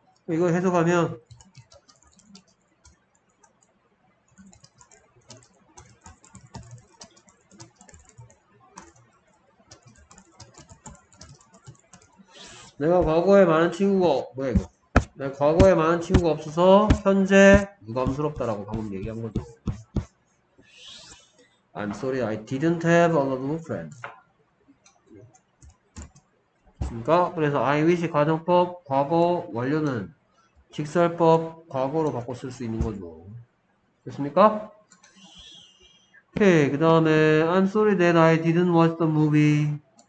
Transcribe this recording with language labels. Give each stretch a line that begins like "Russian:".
Korean: 이거 해석하면 내가 과거에 많은 친구가 뭐야 이거? 내가 과거에 많은 친구가 없어서 현재 유감스럽다라고 방금 얘기한 거죠.
English: I'm sorry, I didn't have a lot of friends.
Korean: 그러니까 그래서
English: I wish
Korean: 가정법 과거 완료는 직설법 과거로 바꿔 쓸수 있는 거죠. 됐습니까? 오케이. 그 다음에
English: I'm sorry that I didn't watch the movie.